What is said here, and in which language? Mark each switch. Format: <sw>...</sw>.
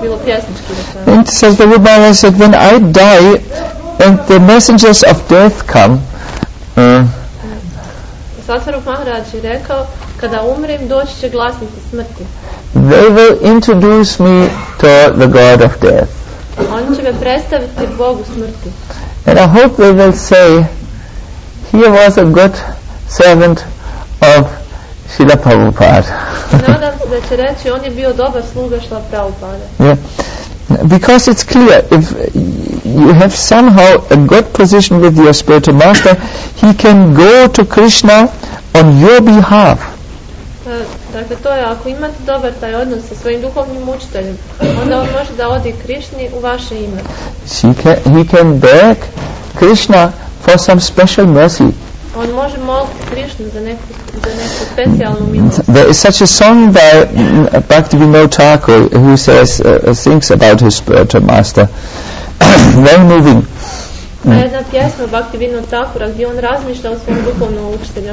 <bs>To je onako bilo pjesnički.</bs> <en>And says, when I die and the messengers of death come,</en> <bs>Satsvarup Maharaj je rekao, kada umrem doći će glasnici smrti.</bs> <en>They will introduce me to the god of death.</en> <bs>Oni će me predstaviti Bogu smrti.</bs> <en>And I hope they will say, he was a good servant of Srila Prabhupada.</en> <bs>Nadam se da će reći, on je bio dobar sluga Srila Prabhupada.</bs> <en>Because it's clear, if you have somehow a good position with your spiritual master, he can go to Krishna on your behalf.</en> <bs>Dakle, to je, ako imate dobar taj odnos sa svojim duhovnim učiteljem, onda on može da ode Krishni u vaše ime.</bs> <en>He can beg Krishna for some special mercy.</en> <bs>On može moliti Krishnu za neku specijalnu milost.</bs> <en>There is such a song by Bhaktivinoda Thakur who says sings about his spiritual master. Very moving.</en> <bs>Jedna pjesma Bhaktivinoda Thakura gdje on razmišlja o svom duhovnom učitelju.</bs>